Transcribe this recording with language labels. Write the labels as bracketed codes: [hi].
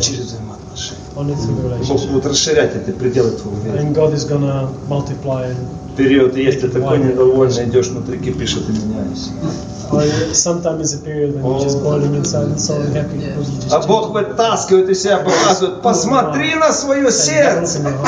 [ru] через взаимоотношения. [en] Only through relationships. [ru] Бог будет расширять эти пределы твоего мира. [en] And God is going to multiply. [ru] Период есть, ты такой недовольный, идешь внутри, кипишь, а ты меняешься. [en] Sometimes it's a period when you're just boiling inside and so unhappy. [ru] А Бог вытаскивает из себя, показывает, посмотри на свое сердце.